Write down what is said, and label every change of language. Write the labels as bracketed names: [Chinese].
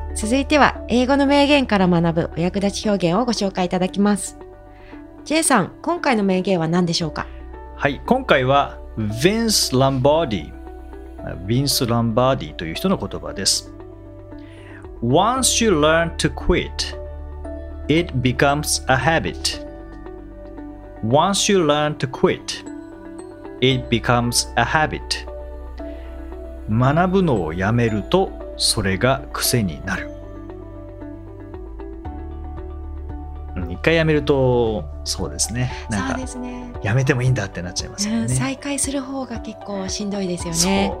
[Japanese] いては英語の名言から学ぶお役立ち表現をご紹介いただきます。 J さん、今回の名言は何でしょうか。はい、今回はヴィンス・ランバーディ、ヴィンス・ランバーディという人の言葉です。 [English] Once you learn to quit, it becomes a habit. Once you learn to quit, it becomes a habit. [Japanese] 学ぶのをやめるとそれが癖になる。一回やめるとそうですね、なんかそうですね、やめてもいいんだってなっちゃいますよね、うん、再開する方が結構しんどいですよね。